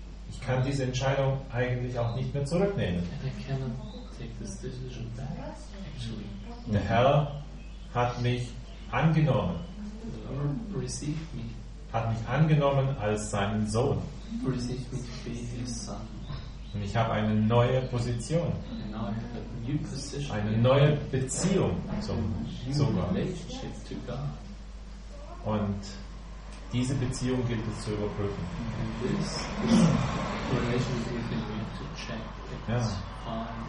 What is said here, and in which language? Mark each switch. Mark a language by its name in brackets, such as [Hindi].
[German] Ich kann diese Entscheidung eigentlich auch nicht mehr zurücknehmen. [English] Take this decision back, actually. [German] Der Herr hat mich angenommen. [English] The Lord received me. [German] Hat mich angenommen als seinen Sohn. [English] Received me to be his son. [German] Und ich habe eine neue Position. [English] And now I have a new position. [German] Eine neue Beziehung zum Gott. [English] To God. [German] Und diese Beziehung gilt es zu überprüfen. [English] And this relationship is going to check if it's fine.